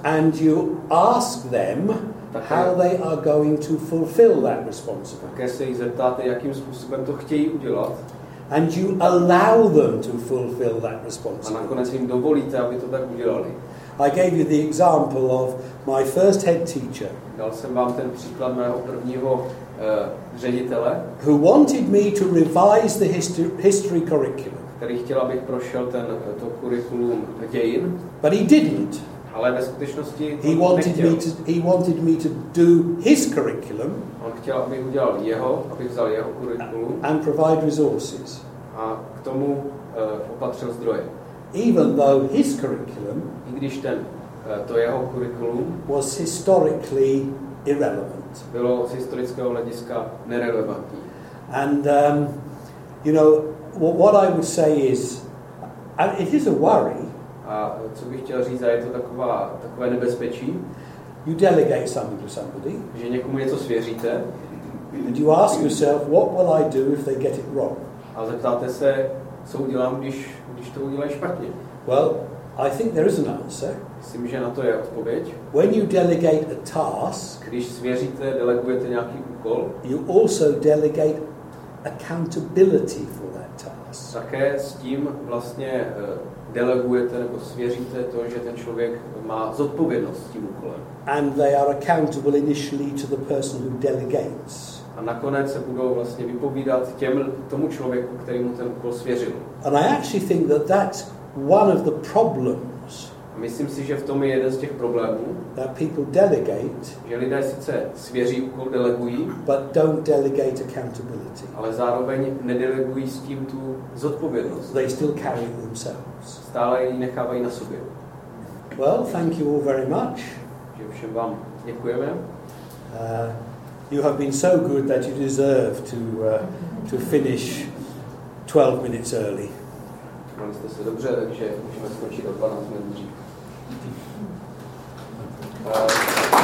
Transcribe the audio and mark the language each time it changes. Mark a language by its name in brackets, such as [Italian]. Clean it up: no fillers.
[English] and you ask them také, how they are going to fulfill that responsibility. [Czech] Také se jich zeptáte, jakým způsobem to chtějí udělat. [English] And you allow them to fulfill that responsibility. [Czech] A nakonec jim dovolíte, aby to tak udělali. [English] I gave you the example of my first head teacher. [Czech] Dal jsem vám ten příklad mého prvního ředitele. [English] Who wanted me to revise the history curriculum. [Czech] Který chtěl, abych prošel ten to kurikulum dějin. [English] But he didn't. [Czech] Ale ve skutečnosti [English] he wanted me to do his curriculum. [Czech] On chtěl, abych udělal jeho, abych vzal jeho kurikulum. [English] And provide resources. [Czech] A k tomu opatřil zdroje. [English] Even though his curriculum, [Czech] i když ten to jeho kurikulum, [English] was historically irrelevant. [Czech] Bylo z historického hlediska nerelevantní. [English] And you know what I would say is, and it is a worry. [Czech] A co bych chtěl říct, a je to takové nebezpečí. [English] You delegate something to somebody. [Czech] Že někomu něco svěříte. [English] And you ask yourself, what will I do if they get it wrong? [Czech] A zeptáte se, co udělám, když to udělají špatně. [English] Well, I think there is an answer. [Czech] Myslím, že na to je odpověď. [English] When you delegate a task, [Czech] když svěříte, delegujete nějaký úkol, [English] you also delegate accountability for that task. [Czech] Také s tím vlastně delegujete nebo svěříte to, že ten člověk má zodpovědnost tím úkolem. [English] And they are accountable initially to the person who delegates. [Czech] A nakonec se budou vlastně vypovídat tomu člověku, který mu ten úkol svěřil. [English] And I actually think that that's one of the problems. [Czech] Myslím si, že v tom je jeden z těch problémů. [English] That people delegate, [Czech] že lidé sice svěří úkol, delegují, [English] but don't delegate accountability. [Czech] Ale zároveň nedelegují s tím tu zodpovědnost. [English] They still carry it themselves. [Czech] Stále ji nechávají na sobě. [English] Well, thank you all very much. [Czech] Že všem vám děkujeme. [English] You have been so good that you deserve to finish 12 minutes early. [Czech] Měli jste se dobře, takže můžeme skočit o 12 minut dřív.